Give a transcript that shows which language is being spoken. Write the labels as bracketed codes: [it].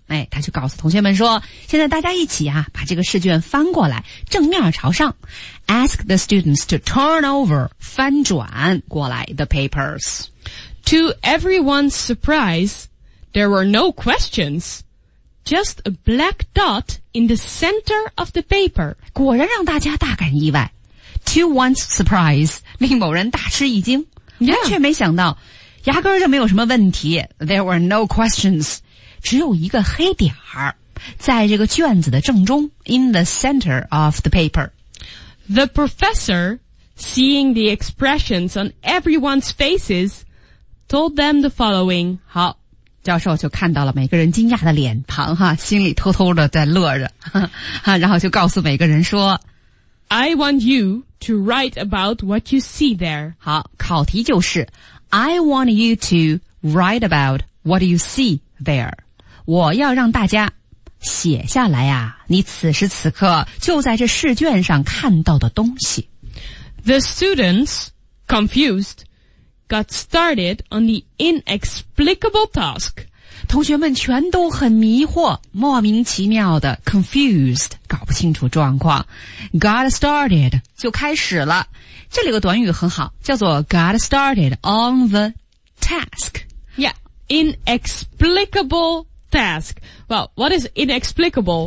[zh] 哎，他就告诉同学们说，现在大家一起啊，把这个试卷翻过来，正面朝上。 [en] Ask the students to turn over, [zh] 翻转过来 [en] the papers. To everyone's surprise, there were no questions. Just a black dot in the center of the paper. [zh] 果然让大家大感意外。 [en] To one's surprise, [zh] 令某人大吃一惊。 Yeah. 完全没想到，压根儿就没有什么问题。 [en] There were no questions. [zh] 只有一个黑点儿，在这个卷子的正中。 [en] In the center of the paper. The professor, seeing the expressions on everyone's faces, told them the following. [zh] 好，教授就看到了每个人惊讶的脸庞哈，心里偷偷的在乐着，然后就告诉每个人说 [en] I want you to write about what you see there. [zh] 好，考题就是 [en] I want you to write about what you see there. [zh] 我要让大家写下来啊，你此时此刻就在这试卷上看到的东西。 [en] The students, confused, got started on the inexplicable task. [zh] 同学们全都很迷惑，莫名其妙的 confused, 搞不清楚状况。 [en] Got started, [zh] 就开始了。 这里有个短语很好，叫做 [en] got started on the task. Yeah, inexplicable task. Well, what is inexplicable?